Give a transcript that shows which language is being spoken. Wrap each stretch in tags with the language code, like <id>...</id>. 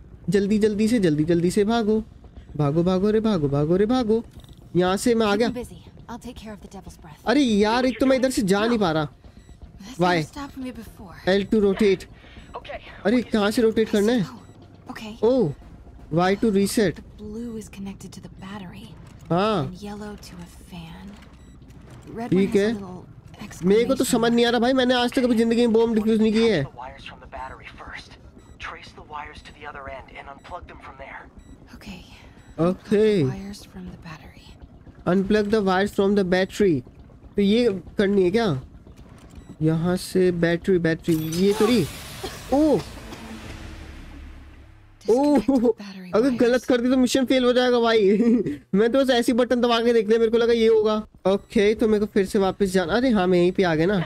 <hi>जल्दी जल्दी से जल्दी जल्दी से भागो. भागो भागो रे भागो भागो रे भागो. यहाँ से मैं आ गया. अरे यार एक तो मैं इधर से जा नहीं पा रहा.</hi> <en>Why? L to rotate. Okay.</en> <hi>अरे कहाँ से रोटेट करना है.</hi> <en>Okay. Oh. Why to reset? The blue is connected to the battery. हाँ. Yellow to a fan. Red one has a little exclamation.</en> <hi>मेरे को तो समझ नहीं आ रहा भाई. मैंने आज तक कभी जिंदगी में बॉम्ब डिफ्यूज नहीं किया है.</hi> <en>Wires from the battery first. Trace the wires to the other end and unplug them from there. Okay. Okay. Wires from the battery. Unplug the wires from the battery.</en> <hi>तो ये करनी है क्या? यहाँ से बैटरी बैटरी ये तोरी. ओह ओह अगर गलत कर दी तो मिशन फेल हो जाएगा भाई. मैं तो बस ऐसी बटन दबा के देख लिया. मेरे को लगा ये होगा. ओके तो मेरे को फिर से वापस जाना. अरे हाँ मैं यहीं पे आ गया ना.</hi>